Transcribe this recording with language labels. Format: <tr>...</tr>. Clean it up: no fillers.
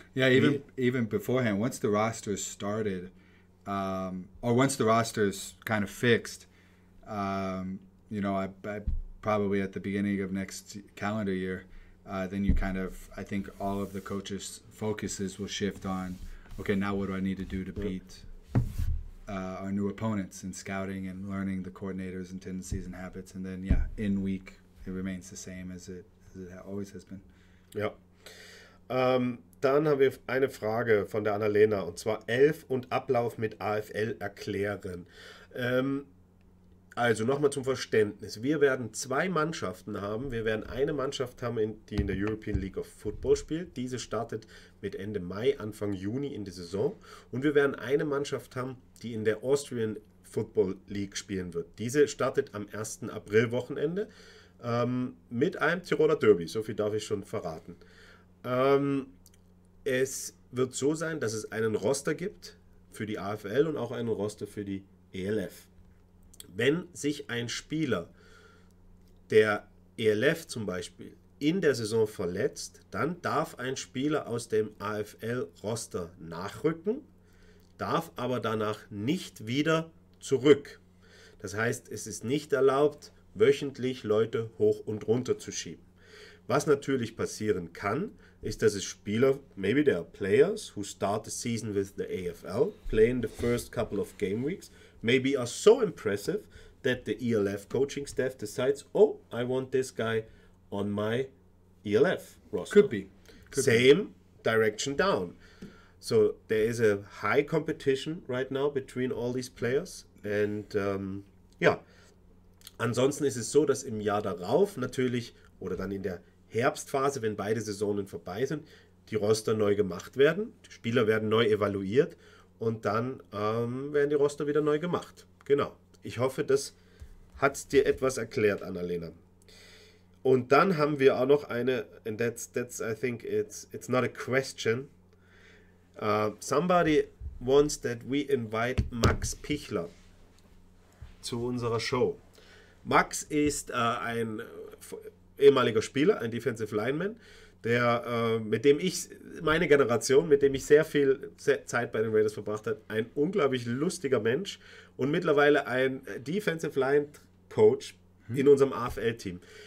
<en>Yeah, even beforehand, once the roster is started, or once the roster is kind of fixed, you know, I probably at the beginning of next calendar year, then you kind of, I think all of the coaches' focuses will shift on, okay, now what do I need to do to beat our new opponents, and scouting and learning the coordinators and tendencies and habits, and then, yeah, in week, it remains the same as it always has been.</en> <de>Ja. Dann haben wir eine Frage von der Annalena, und zwar 11 und Ablauf mit AFL erklären. Also nochmal zum Verständnis. Wir werden zwei Mannschaften haben. Wir werden eine Mannschaft haben, die in der European League of Football spielt. Diese startet mit Ende Mai, Anfang Juni in die Saison. Und wir werden eine Mannschaft haben, die in der Austrian Football League spielen wird. Diese startet am 1. April Wochenende. Mit einem Tiroler Derby, so viel darf ich schon verraten. Es wird so sein, dass es einen Roster gibt für die AFL und auch einen Roster für die ELF. Wenn sich ein Spieler der ELF zum Beispiel in der Saison verletzt, dann darf ein Spieler aus dem AFL-Roster nachrücken, darf aber danach nicht wieder zurück. Das heißt, es ist nicht erlaubt, wöchentlich Leute hoch und runter zu schieben. Was natürlich passieren kann, ist, dass es Spieler,</de> <en>maybe there are players who start the season with the AFL, playing the first couple of game weeks, maybe are so impressive that the ELF coaching staff decides, oh, I want this guy on my ELF roster. Could be. Could Same be. Direction down. So there is a high competition right now between all these players. And yeah.</en> <de>Ansonsten ist es so, dass im Jahr darauf natürlich, oder dann in der Herbstphase, wenn beide Saisonen vorbei sind, die Roster neu gemacht werden, die Spieler werden neu evaluiert und dann werden die Roster wieder neu gemacht. Genau. Ich hoffe, das hat dir etwas erklärt, Annalena. Und dann haben wir auch noch eine,</de> <en>and that's I think it's not a question. Somebody wants that we invite Max Pichler</en> <de>zu unserer Show. Max ist ein ehemaliger Spieler, ein Defensive Lineman, der mit dem ich, meine Generation, mit dem ich sehr viel Zeit bei den Raiders verbracht habe, ein unglaublich lustiger Mensch und mittlerweile ein Defensive Line Coach in unserem AFL-Team.</de>